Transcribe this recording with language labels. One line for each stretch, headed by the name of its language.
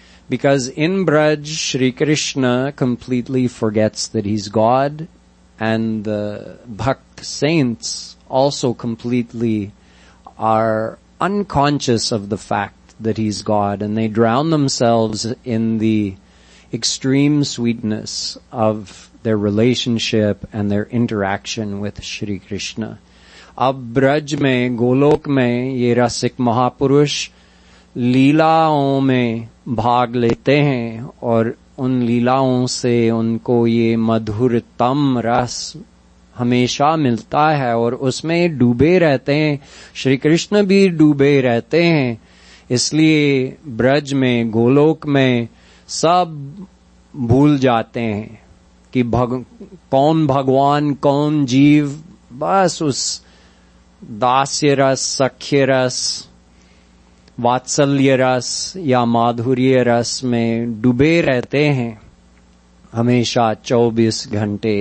English: Because in Braj Shri Krishna completely forgets that he is God, and the bhakt saints also completely are unconscious of the fact that he's God, and they drown themselves in the extreme sweetness of their relationship and their interaction with Shri Krishna.
Hindi: Ab braj mein, golok mein, ye rasik mahapurush leelaon mein bhag lete hain, aur un leelaon se unko ye madhurtam ras हमेशा मिलता है और उसमें डूबे रहते हैं, श्री कृष्ण भी डूबे रहते हैं। इसलिए ब्रज में, गोलोक में सब भूल जाते हैं कि कौन भगवान कौन जीव, बस उस दास्य रस, सख्य रस, वात्सल्य रस या माधुर्य रस में डूबे रहते हैं हमेशा 24 घंटे।